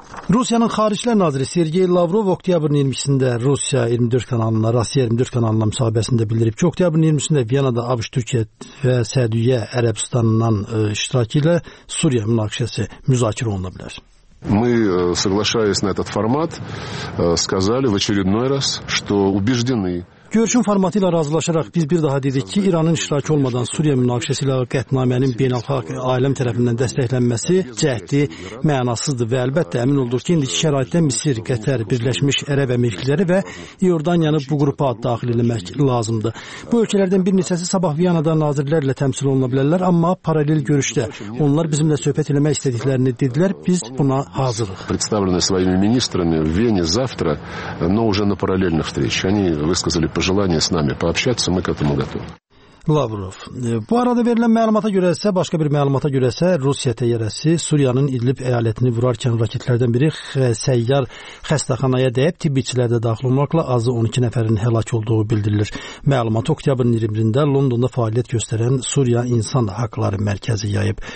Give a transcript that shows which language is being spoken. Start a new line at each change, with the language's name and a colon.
Azerbaijani: Rusiyanın Xarişlər Naziri Sergey Lavrov oktyabrın 22-sində Rusiya 24 kanalına, Rusiya 24 kanalına müsahibəsində bildirib ki, oktyabrın 23-də Viyana'da ABŞ, Türkiyə və Səudiyyə Ərəbistanından iştirakı ilə Suriya münaqişəsi müzakirə oluna bilər.
Russian: Мы, соглашаясь на этот формат, сказали в очередной раз, что убеждены.
Azerbaijani: Görüşün formatı ilə razılaşaraq biz bir daha dedik ki, İranın iştirakı olmadan Suriye münaqişəsi ilə qətnamənin beynəlxalq aləm tərəfindən dəstəklənməsi cəhdi mənasızdır və əlbəttə əmin olduq ki, indiki şəraitdə Misir, Qətər, Birləşmiş Ərəb Əmirlikləri və Yordaniyanı bu qrupa daxil etmək lazımdır. Bu ölkələrdən bir neçəsi sabah Viyanada nazirlərlə təmsil oluna bilərlər, amma paralel görüşdə onlar bizimlə söhbət eləmək istədiklərini dedilər, biz buna hazırıq.
Russian: Представленные своими министрами в Вене завтра, но уже на параллельных встречах. Они высказали пожелание с нами пообщаться, мы к этому готовы.
Azerbaijani: Lavrov. Bu arada verilən məlumata görə isə, başqa bir məlumata görə isə Rusiya təyyarəsi Suriyanın İdlib əyalətini vurarkən raketlərdən biri səyyar xəstəxanaya dəyib, tibbiçilərdə daxil olmaqla azı 12 nəfərin həlak olduğu bildirilir. Məlumat oktyabrın 21-də Londonda fəaliyyət göstərən Suriya İnsan Haqları Mərkəzi yayıb.